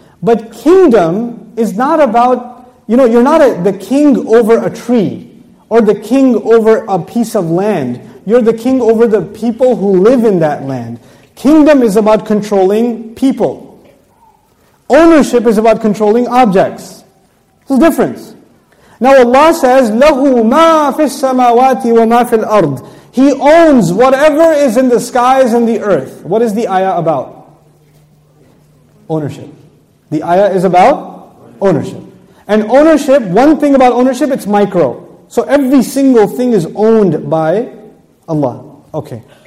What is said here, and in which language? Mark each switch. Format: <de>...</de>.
<en>But kingdom is not about, you know, you're not the king over a tree or the king over a piece of land. You're the king over the people who live in that land. Kingdom is about controlling people. Ownership is about controlling objects. There's a difference. Now Allah says,</en> <ar>لَهُ مَا فِي السَّمَاوَاتِ وَمَا فِي الْأَرْضِ.</ar> <en>He owns whatever is in the skies and the earth. What is the ayah about? Ownership. The ayah is about ownership. And ownership, one thing about ownership, it's micro. So every single thing is owned by Allah. Okay.</en>